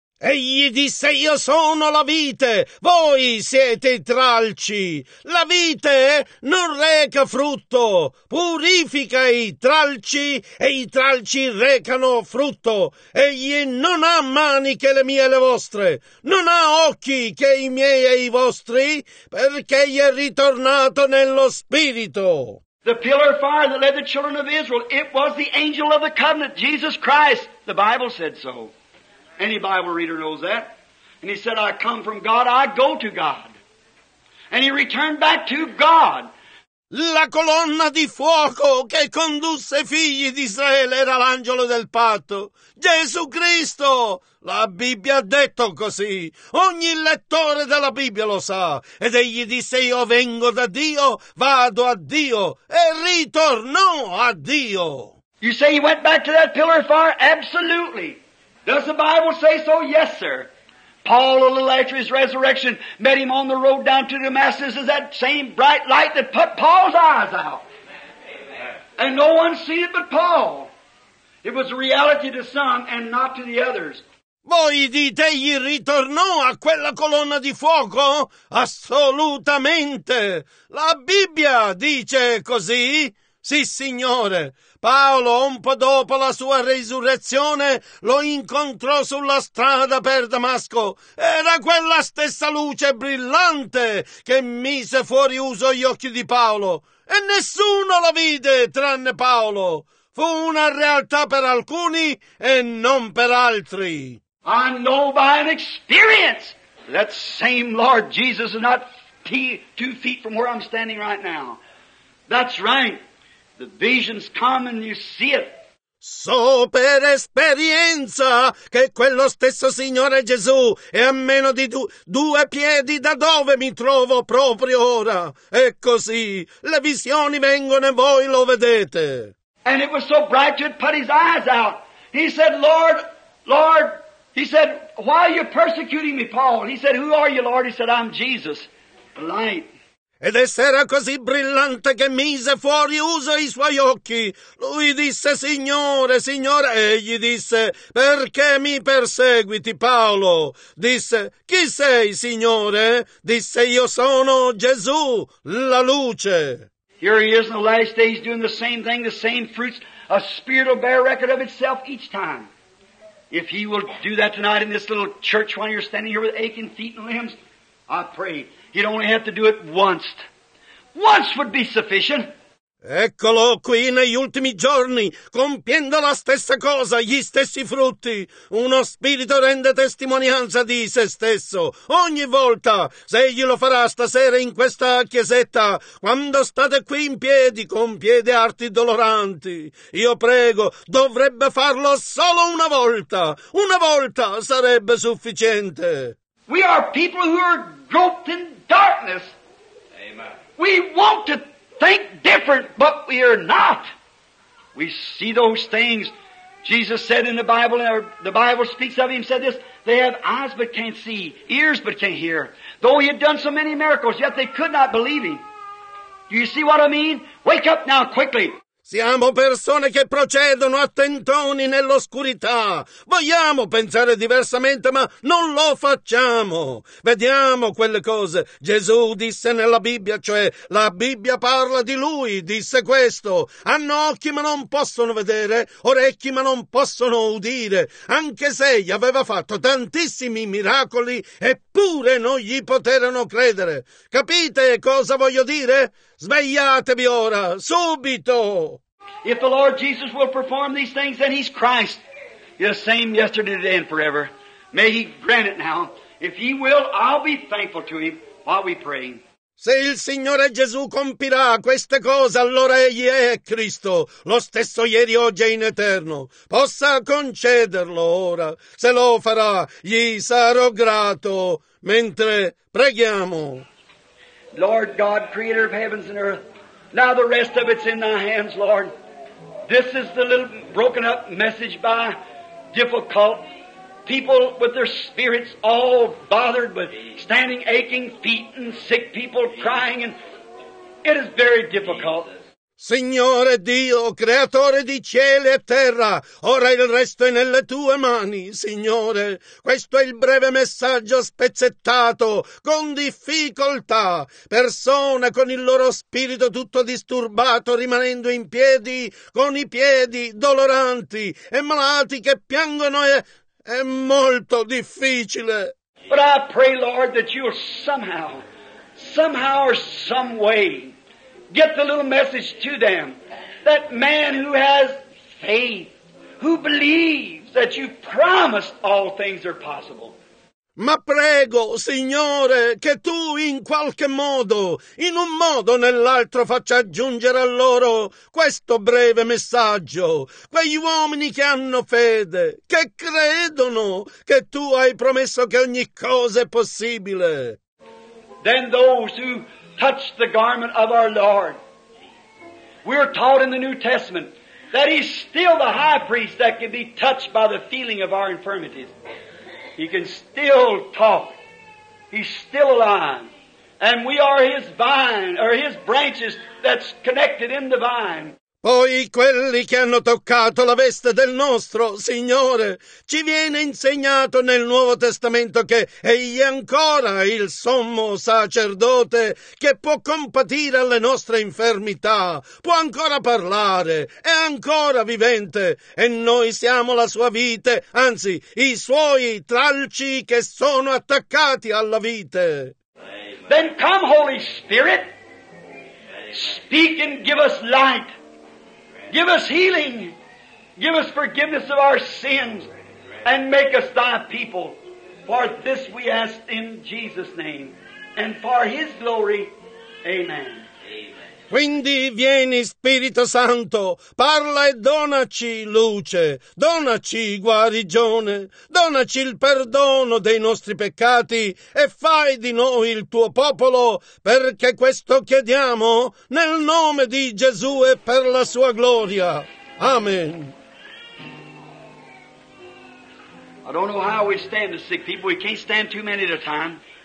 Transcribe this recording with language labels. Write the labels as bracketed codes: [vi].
[it] Egli disse, io sono la vite, voi siete i tralci. La vite non reca frutto, purifica i tralci e i tralci recano frutto. Egli non ha mani che le mie e le vostre, non ha occhi che i miei e i vostri, perché egli è ritornato nello spirito. [en] The pillar of fire that led the children of Israel, it was the angel of the covenant, Jesus Christ. The Bible said so. Any Bible reader knows that. And he said, I come from God, I go to God. And he returned back to God. [it] La colonna di fuoco che condusse i figli di Israele era l'angelo del patto, Gesù Cristo. La Bibbia ha detto così. Ogni lettore della Bibbia lo sa. Ed egli disse, io vengo da Dio, vado a Dio. E ritornò a Dio. [en] You say he went back to that pillar of fire? Absolutely. Does the Bible say so? Yes, sir. Paul, a little after his resurrection, met him on the road down to Damascus as that same bright light that put Paul's eyes out. Amen. And no one seen it but Paul. It was a reality to some and not to the others. [it] Voi dite, egli ritornò a quella colonna di fuoco? Assolutamente. La Bibbia dice così. Sì, Signore. Paolo, un po' dopo la sua resurrezione, lo incontrò sulla strada per Damasco. Era quella stessa luce brillante che mise fuori uso gli occhi di Paolo. E nessuno la vide, tranne Paolo. Fu una realtà per alcuni e non per altri. [en] I know by an experience that same Lord Jesus is not two feet from where I'm standing right now. That's right. The visions come and you see it. [it] So per esperienza che quello stesso Signore Gesù è a meno di due piedi da dove mi trovo proprio ora. E così le visioni vengono e voi lo vedete. [en] And it was so bright you'd put his eyes out. He said, Lord, Lord, he said, why are you persecuting me, Paul? He said, who are you, Lord? He said, I'm Jesus, the light. [it] Ed essere così brillante che mise fuori uso i suoi occhi. Lui disse, Signore, Signore, egli disse, perché mi perseguiti, Paolo? Disse, chi sei, Signore? Disse, io sono Gesù, la luce. [en] Here he is in the last days doing the same fruits. A spirit will bear record of itself each time. If he will do that tonight in this little church while you're standing here with aching feet and limbs, I pray. You'd only have to do it once. Once would be sufficient. [it] Eccolo qui negli ultimi giorni, compiendo la stessa cosa, gli stessi frutti. Uno spirito rende testimonianza di se stesso. Ogni volta, se egli lo farà stasera in questa chiesetta, quando state qui in piedi, con piedi arti doloranti, io prego, dovrebbe farlo solo una volta. Una volta sarebbe sufficiente. [en] We are people who are groped in darkness. Amen. We want to think different, but we are not. We see those things. Jesus said in the Bible, or the Bible speaks of him, said this, they have eyes but can't see, ears but can't hear. Though he had done so many miracles, yet they could not believe him. Do you see what I mean? Wake up now quickly. [it] Siamo persone che procedono a tentoni nell'oscurità. Vogliamo pensare diversamente, ma non lo facciamo. Vediamo quelle cose. Gesù disse nella Bibbia, cioè la Bibbia parla di Lui, disse questo. Hanno occhi ma non possono vedere, orecchi ma non possono udire. Anche se gli aveva fatto tantissimi miracoli, eppure non gli poterono credere. Capite cosa voglio dire? Svegliatevi ora, subito! [en] If the Lord Jesus will perform these things, then He's Christ, the same yesterday, today, and forever. May He grant it now. If He will, I'll be thankful to Him while we pray. [it] Se il Signore Gesù compirà queste cose, allora Egli è Cristo, lo stesso ieri, oggi e in eterno. Possa concederlo ora. Se lo farà, gli sarò grato. Mentre preghiamo. [en] Lord God, creator of heavens and earth, now the rest of it's in Thy hands, Lord. This is the little broken up message by difficult people with their spirits all bothered with standing aching feet and sick people crying, and it is very difficult. [it] Signore Dio, creatore di cielo e terra, ora il resto è nelle Tue mani, Signore. Questo è il breve messaggio spezzettato, con difficoltà. Persone con il loro spirito tutto disturbato, rimanendo in piedi, con i piedi doloranti, e malati che piangono, è molto difficile. [en] But I pray, Lord, that You'll somehow or some way, get the little message to them. That man who has faith, who believes that You promised all things are possible. [it] Ma prego, Signore, che Tu in qualche modo, in un modo o nell'altro, faccia aggiungere a loro questo breve messaggio. Quegli uomini che hanno fede, che credono che Tu hai promesso che ogni cosa è possibile. [en] Then those who touch the garment of our Lord. We are taught in the New Testament that He's still the high priest that can be touched by the feeling of our infirmities. He can still talk. He's still alive. And we are His vine, or His branches that's connected in the vine. Poi quelli che hanno toccato la veste del nostro Signore, ci viene insegnato nel Nuovo Testamento che Egli è ancora il sommo sacerdote che può compatire alle nostre infermità, può ancora parlare, è ancora vivente, e noi siamo la sua vite, anzi i suoi tralci che sono attaccati alla vite. Then come, Holy Spirit, speak and give us light. Give us healing, give us forgiveness of our sins, and make us Thy people. For this we ask in Jesus' name, and for His glory. Amen. [it] Quindi vieni, Spirito Santo, parla e donaci luce, donaci guarigione, donaci il perdono dei nostri peccati e fai di noi il Tuo popolo, perché questo chiediamo nel nome di Gesù e per la Sua gloria. Amen. [en] I don't know how we stand the sick people. We can't stand too many at a time.